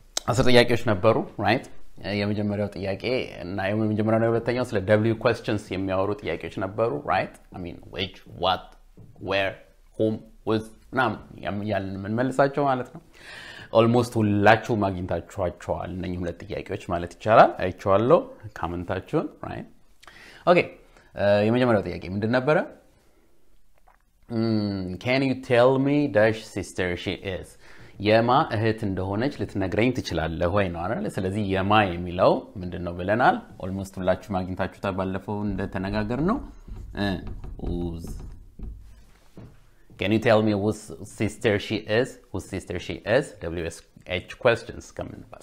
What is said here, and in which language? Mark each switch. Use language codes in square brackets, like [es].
[am] አሰር ጥያቄዎች ነበሩ, right? የመጀመሪያው ጥያቄ እና የመጀመሪያው ሁለተኛው ስለ W questions የሚያወሩ ጥያቄዎች ነበሩ, right? [en] I mean which, what, where, whom, with, [am] ናም ያን ምን መልሳቸው ማለት ነው. ኦልሞስት ሁላችሁ ማግኝታችኋቸዋል እነኚህ ሁለት ጥያቄዎች ማለት ይቻላል. አይቻለሁ ካመንታችሁን, right? Okay. የመጀመሪያው ጥያቄ ምንድን ነበር? [en] Can you tell me dash sister she is? [am] የማ እህት እንደሆነች ልትነግረኝ ትችላለህ ወይ ነው አይደል? ስለዚህ የማ የሚለው ምንድነው ብለናል? ኦልሞስት ሁላችሁ ማግኝታችሁ ታባለፈው እንደ ተነጋገርነው ኡዝ. [en] Can you tell me whose sister she is? Whose sister she is? WSH questions coming up.